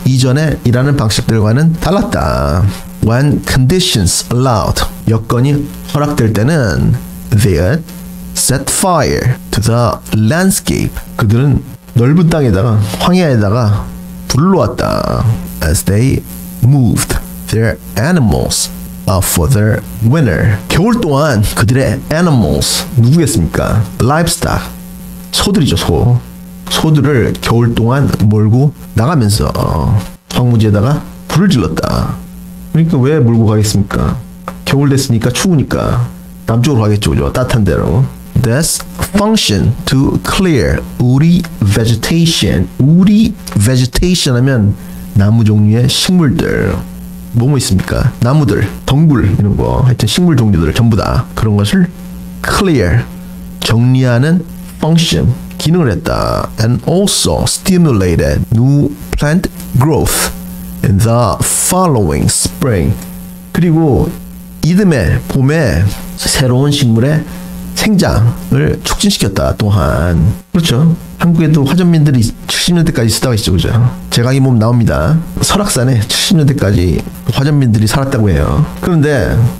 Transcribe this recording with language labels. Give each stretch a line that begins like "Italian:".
Korean: 이전에 일하는 방식들과는 달랐다.
English: When conditions allowed,
Korean: 여건이 허락될 때는
English: they set fire to the landscape.
Korean: 그들은 넓은 땅에다가, 황야에다가 불을 놓았다.
English: As they moved their animals for their winter.
Korean: 겨울 동안 그들의 animals, 누구겠습니까? livestock, 소들이죠, 소. 소들을 겨울 동안 몰고 나가면서 황무지에다가 불을 질렀다. 그러니까 왜 몰고 가겠습니까? 겨울 됐으니까 추우니까 남쪽으로 가겠죠, 그죠? 따뜻한 데로.
English: This function to clear woody vegetation.
Korean: woody vegetation 하면 나무 종류의 식물들. 뭐뭐 있습니까? 나무들, 덩굴 이런 거, 하여튼 식물 종류들 전부 다 그런 것을 clear, 정리하는 function, 기능을 했다.
English: And also stimulated new plant growth in the following spring.
Korean: 그리고 이듬해 봄에 새로운 식물의 생장을 촉진시켰다 또한. 그렇죠. 한국에도 화전민들이 70년대까지 쓰다가 있죠, 그죠? 제가 이 몸 나옵니다. 설악산에 70년대까지 화전민들이 살았다고 해요. 그런데